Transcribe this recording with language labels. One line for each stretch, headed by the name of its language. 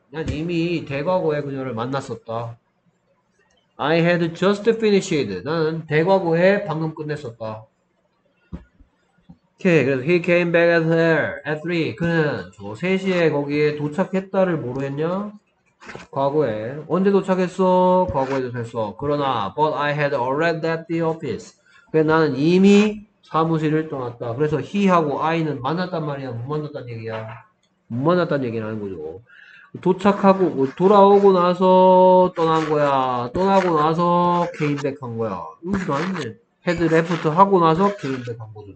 Korean: 난 이미 대과거에 그녀를 만났었다.
English: I had just finished.
Korean: 나는 대과거에 방금 끝냈었다.
English: Okay,
Korean: 그래서
English: he came back at 3.
Korean: 그는 저 3시에 거기에 도착했다를 모르겠냐? 과거에 언제 도착했어? 과거에도 됐어. 그러나
English: but I had already left the office.
Korean: 그래서 나는 이미 사무실을 떠났다. 그래서 he하고 I는 만났단 말이야, 못 만났단 얘기야? 못 만났단 얘기라는 거죠. 도착하고 돌아오고 나서 떠난 거야. 떠나고 나서 came back 한 거야. 이것도 아닌데 head left 하고 나서 came back 한 거죠.